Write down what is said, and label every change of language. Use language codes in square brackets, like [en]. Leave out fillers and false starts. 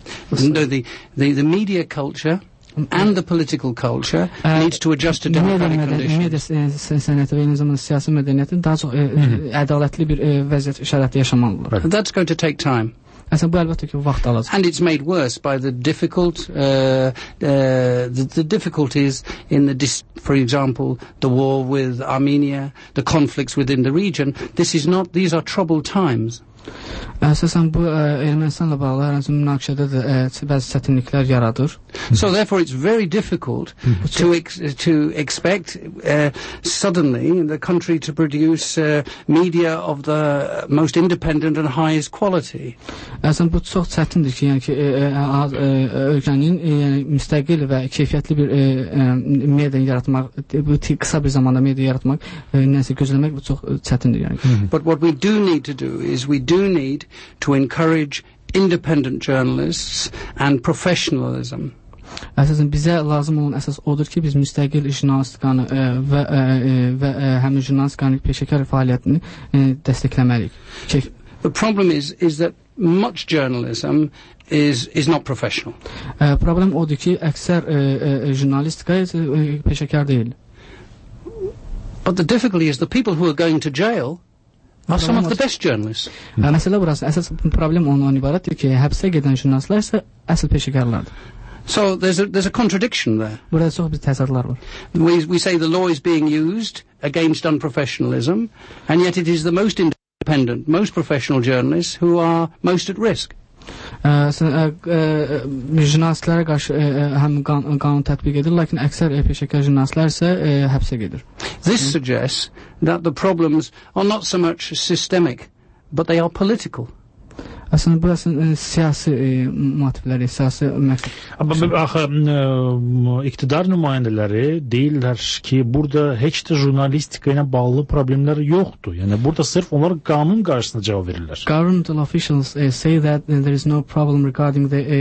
[en] the media culture and the political culture needs to adjust to democratic conditions. [az] Mədəniyyətin daha çox ədalətli bir vəziyyət şəraitində yaşamalıdır. [en] That's going to take time. And it's made worse by the difficult the difficulties in the for example the war with Armenia, the conflicts within the region. These are troubled times. [az] Əsasən bu Ermənistanla bağlı hər hansı münaqişədə də bəzi çətinliklər yaradır. [en] So therefore it's very difficult to expect suddenly the country to produce media of the most independent and highest quality. [az] Əsasən bu çox çətindir ki, yəni ki ölkənin müstəqil və keyfiyyətli bir media yaratmaq, bu qısa bir zamanda media yaratmaq, nəsə gözləmək bu çox çətindir yəni. [en] But what we do need to do is we need to encourage independent journalists and professionalism. [az] Əsasən bizə lazım olan əsas odur ki, biz müstəqil jurnalistikanı və həmin jurnalistikanın peşəkar fəaliyyətini dəstəkləməliyik. [en] The problem is that much journalism is not professional. [az] Problem odur ki, əksər jurnalistika peşəkar deyil. [en] But the difficulty is the people who are going to jail are some of the best journalists. [az] Məsələ burası, əsas problem ondan ibarətdir ki, həbsə gedən jurnalistlər isə əsl peşəkarlardır. [en] So there's a contradiction there. [az] Burada çox bir təzadlar var. [en] We say the law is being used against unprofessionalism, and yet it is the most independent, most professional journalists who are most at risk. [az] Jurnalistlərə qarşı həm qanun tətbiq edir, lakin əksər peşəkar jurnalistlər isə həbsə gedir. [en] This suggests that the problems are not so much systemic, but they are political. [az] Əslində, bu əslində siyasi motivləri, siyasi məqsədləri. Axı, iqtidar nümayəndələri deyirlər ki, burada heç də jurnalistika ilə bağlı problemlər yoxdur. Yəni, burada sırf onlar qanun qarşısında cavab verirlər. [en] Governmental officials say that there is no problem regarding the...